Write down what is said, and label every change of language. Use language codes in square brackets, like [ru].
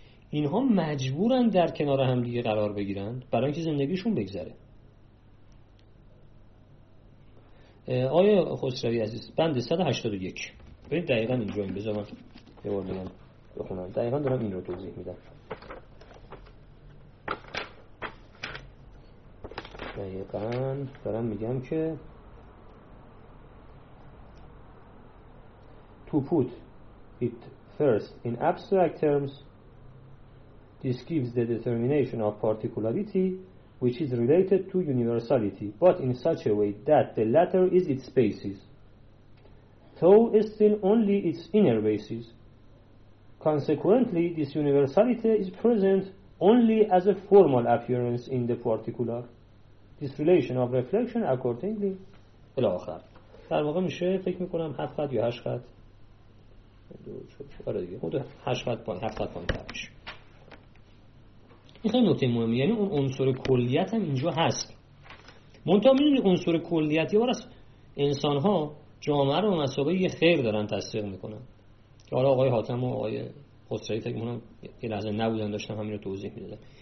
[fa] اینها مجبورن در کنار همدیگه قرار بگیرن برای اینکه زندگیشون بگذره. آیه خسروی عزیز بند 181 ببین دقیقا اینجا این بذار من یه بار بگم بخونم، دقیقا دارم این رو توضیح میدم. دقیقا دارم میگم که [en] to put it first in abstract terms this gives the determination of particularity which is related to universality but in such a way that the latter is its basis though is still only its inner basis. Consequently this universality is present only as a formal appearance in the particular. This relation of reflection accordingly الى آخر. [fa] در واقع میشه فکر میکنم 7 خط یا 8 خط آره دیگه خود 8 خط پایین تر میشه. این خیلی نکته مهمی، یعنی اون عنصر کلیت هم اینجا هست. منتها میدونی عنصر کلیت یه بار از انسان ها جامعه رو به مسابقه یه خیر دارن تصدیق میکنن، که حالا آقای حاتم و آقای خسروی فکر میکنم یه لحظه نبودن داشتم همین رو توضیح میدادن.